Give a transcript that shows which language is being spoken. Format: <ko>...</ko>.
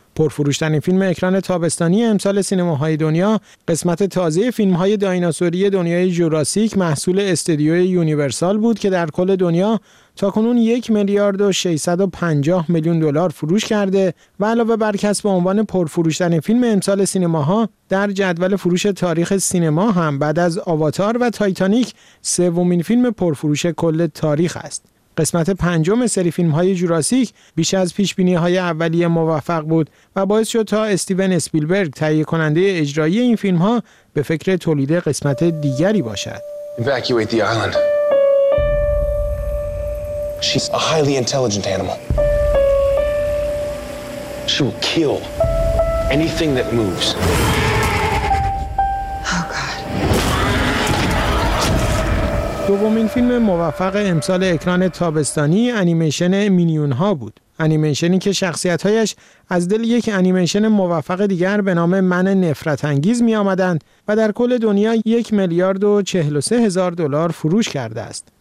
<fa>پرفروش‌ترین فیلم اکران تابستانی امسال سینماهای دنیا، قسمت تازه فیلم‌های دایناسوری دنیای جوراسیک محصول استودیوی یونیورسال بود که در کل دنیا تاکنون 1,650,000,000 دلار فروش کرده و علاوه بر کسب عنوان پرفروش‌ترین فیلم امسال سینماها، در جدول فروش تاریخ سینما هم بعد از آواتار و تایتانیک سومین فیلم پرفروش کل تاریخ است. قسمت پنجم سری فیلم‌های جوراسیک بیش از پیش‌بینی‌های اولیه موفق بود و باعث شد تا استیون اسپیلبرگ تهیه کننده اجرایی این فیلم‌ها به فکر تولید قسمت دیگری باشد.</fa> <en>Evacuate the island. She's a highly intelligent animal. She will kill anything that moves.</en> <fa>دومین فیلم موفق امسال اکران تابستانی انیمیشن مینیون ها بود. انیمیشنی که شخصیت هایش از دل یک انیمیشن موفق دیگر به نام من نفرت انگیز می آمدند و در کل دنیا 1,043,000 دلار فروش کرده است.</fa>